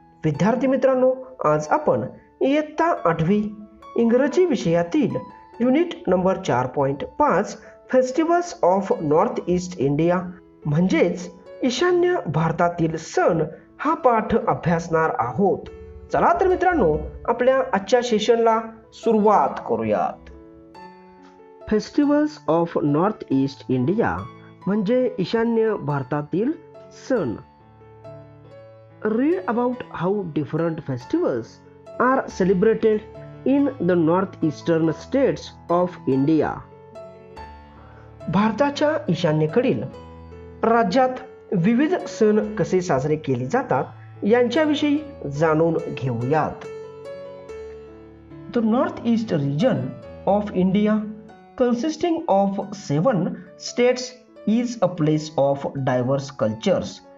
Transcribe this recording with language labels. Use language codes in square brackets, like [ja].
[mr] विद्यार्थी मित्रांनो, आज आपण इयत्ता 8वी इंग्रजी विषयातील unit number 4.5 festivals of north east India म्हणजेच ईशान्य भारतातील सण हा पाठ अभ्यासणार आहोत. चला तर मित्रांनो, आपल्या आजच्या सेशनला सुरुवात करूयात. Festivals of north east India म्हणजे ईशान्य भारतातील सण. [en] Read about how different festivals are celebrated in the north eastern states of India. [mr] भारताच्या ईशान्येकडील राज्यात विविध सण कसे साजरे केले जातात यांच्याविषयी जाणून घेऊयात. [en] The north east region of India consisting of 7 states is a place of diverse cultures.